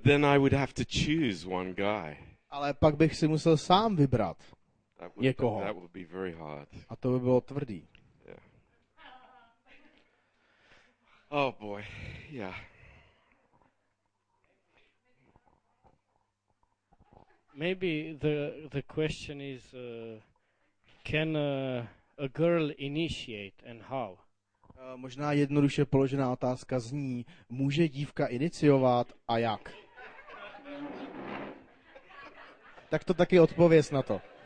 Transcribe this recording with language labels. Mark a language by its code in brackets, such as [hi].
[en] But then I would have to choose one guy. [cs] Ale pak bych si musel sám vybrat někoho. [en] That would be very hard. [cs] A to by bylo tvrdý. [en] Oh boy, yeah. Maybe the question is, can a girl initiate and how? [cs] Možná jednoduše položená otázka zní, může dívka iniciovat a jak? Tak to taky odpověz na to.